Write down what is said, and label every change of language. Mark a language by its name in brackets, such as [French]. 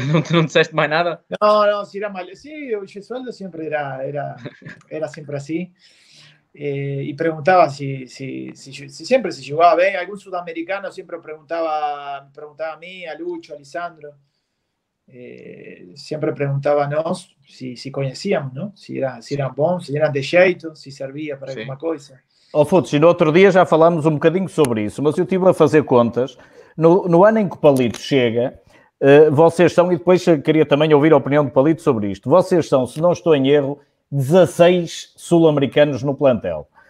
[Portuguese] Não disseste mais nada? Não, se era maluco. Sim, o Gesualdo sempre era sempre assim. E perguntava se sempre se jogava bem. Algum sud-americano sempre perguntava a mim, a Lucho, a Lisandro. [Spanish] Siempre preguntaba a nos si conocíamos, ¿no? Si era bom, si era [Portuguese] de jeito, [Spanish] si servía para alguna cosa. [Portuguese] Oh, Futs, e no outro dia já falámos um bocadinho sobre isso, mas eu estive a fazer contas. No ano em que o Palito chega, vocês são, e depois queria também ouvir a opinião do Palito sobre isto, vocês são, se não estou em erro, 16 sul-americanos no plantel.